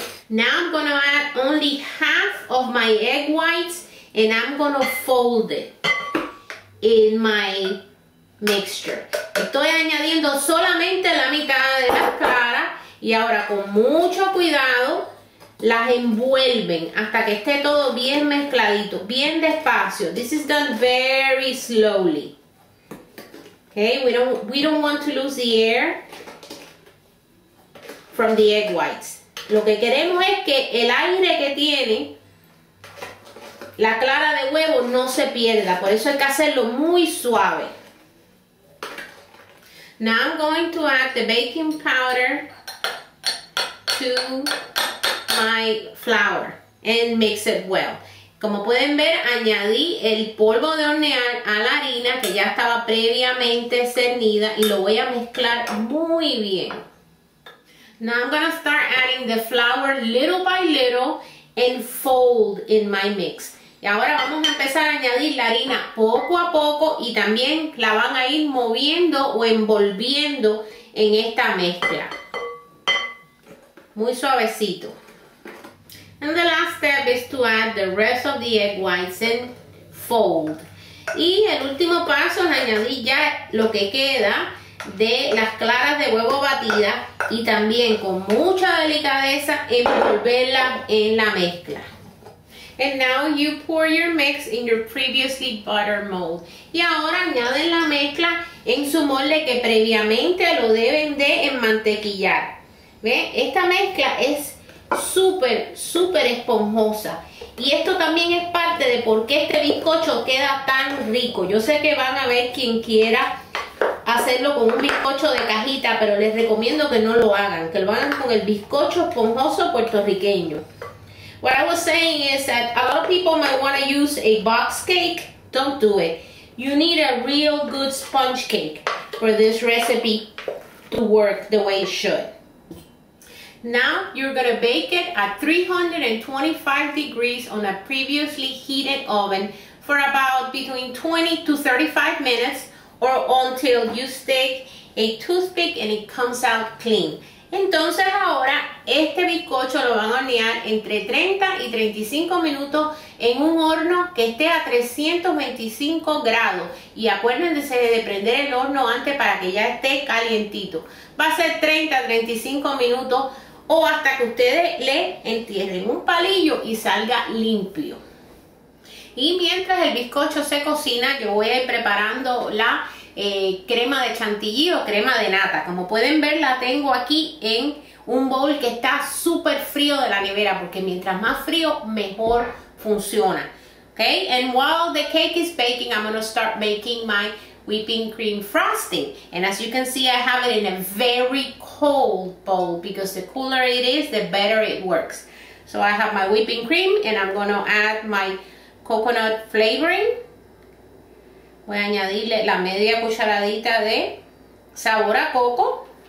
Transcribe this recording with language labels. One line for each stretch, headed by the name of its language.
English: Now I'm going to add only 1/2 of my egg whites and I'm going to fold it in my mixture.
Spanish: Estoy añadiendo solamente la mitad de las claras y ahora con mucho cuidado las envuelven hasta que esté todo bien mezcladito, bien despacio.
English: This is done very slowly. Okay, we don't want to lose the air from the egg whites.
Spanish: Lo que queremos es que el aire que tiene la clara de huevo no se pierda. Por eso hay que hacerlo muy suave.
English: Now I'm going to add the baking powder to my flour and mix it well.
Spanish: Como pueden ver, añadí el polvo de hornear a la harina que ya estaba previamente cernida y lo voy a mezclar muy bien.
English: Now I'm gonna start adding the flour little by little and fold in my mix.
Spanish: Y ahora vamos a empezar a añadir la harina poco a poco y también la van a ir moviendo o envolviendo en esta mezcla. Muy suavecito.
English: And the last step is to add the rest of the egg whites and fold.
Spanish: Y el último paso es añadir ya lo que queda de las claras de huevo batida y también con mucha delicadeza envolverlas en la mezcla.
English: And now you pour your mix in your previously buttered mold.
Spanish: Y ahora añaden la mezcla en su molde que previamente lo deben de enmantequillar. ¿Ve? Esta mezcla es súper, súper esponjosa. Y esto también es parte de por qué este bizcocho queda tan rico. Yo sé que van a ver quien quiera hacerlo con un bizcocho de cajita, pero les recomiendo que no lo hagan, que lo hagan con el bizcocho esponjoso puertorriqueño.
English: What I was saying is that a lot of people might want to use a box cake. Don't do it. You need a real good sponge cake for this recipe to work the way it should. Now you're going to bake it at 325 degrees on a previously heated oven for about between 20 to 35 minutes or until you stick a toothpick and it comes out clean.
Spanish: Entonces ahora este bizcocho lo van a hornear entre 30 y 35 minutos en un horno que esté a 325 grados. Y acuérdense de prender el horno antes para que ya esté calientito. Va a ser 30 a 35 minutos o hasta que ustedes le entierren un palillo y salga limpio. Y mientras el bizcocho se cocina, yo voy a ir preparando la crema de chantilly o crema de nata. Como pueden ver, la tengo aquí en un bowl que está súper frío de la nevera, porque mientras más frío, mejor funciona.
English: Okay? And while the cake is baking, I'm going to start making my whipping cream frosting. And as you can see, I have it in a very cold bowl, because the cooler it is, the better it works. So I have my whipping cream, and I'm going to add my coconut flavoring.
Spanish: Voy a añadirle la media cucharadita de sabor a coco.